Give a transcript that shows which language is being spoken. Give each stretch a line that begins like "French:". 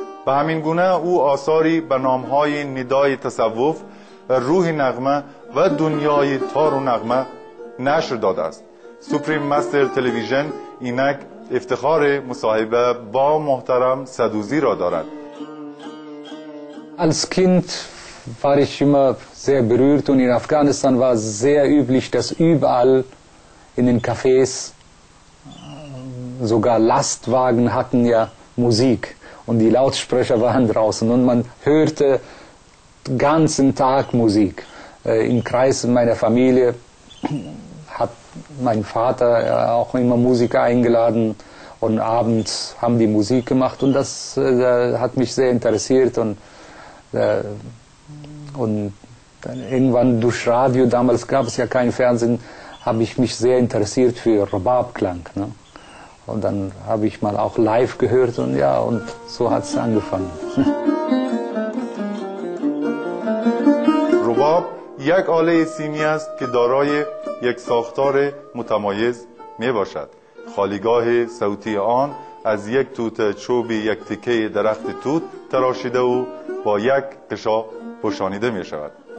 Persian: به همین گونه او آثاری به نامهای ندای تصوف، روح نغمه و دنیای تار و نغمه نشر داده است. سوپریم مستر تلویزیون اینک افتخار مصاحبه با محترم صدوزی را دارد.
German: Als Kind war ich immer sehr berührt und in Afghanistan war sehr üblich, dass überall in den Cafés sogar Lastwagen hatten ja Musik und die Lautsprecher waren draußen und man hörte den ganzen Tag Musik. Im Kreis meiner Familie hat mein Vater auch immer Musiker eingeladen und abends haben die Musik gemacht und das hat mich sehr interessiert und dann irgendwann durch Radio, damals gab es ja kein Fernsehen, habe ich mich sehr interessiert für Rubabklang, ne? Und dann habe ich mal auch live gehört und ja, und so hat es angefangen.
Persian: Rubab یک آله سیمی است که دارای یک ساختار متمایز می باشد. خالیگاه صوتی آن از یک توت چوب یک تکه درخت توت تراشیده و با یک قشا پوشانیده می شود.